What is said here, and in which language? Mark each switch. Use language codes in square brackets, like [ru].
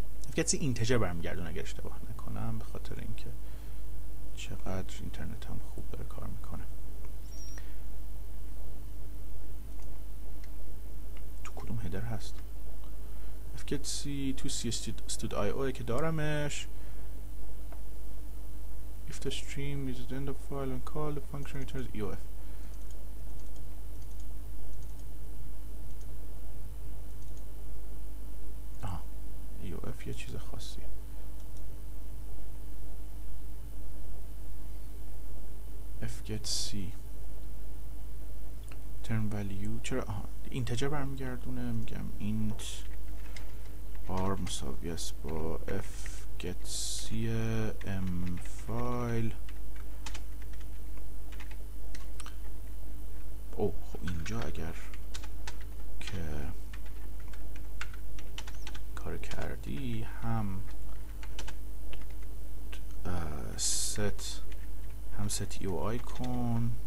[fa] f get c اینتجر برمیگردون اگر اشتباه نکنم، به خاطر اینکه چقدر اینترنت هم خوب داره کار میکنه. تو کدوم هدر هست f get c؟ تو cstud.io که دارمش. [en] If the stream is at the end of file and call, the function returns EOF. [fa] آها، EOF یه چیز خاصیه. [en] F get C. Return value. [fa] چرا؟ آها، integer برمیگردونه. میگم int r مساوی است با F get C M file. او خب اینجا اگر که کار کردی هم set، هم set UI کن،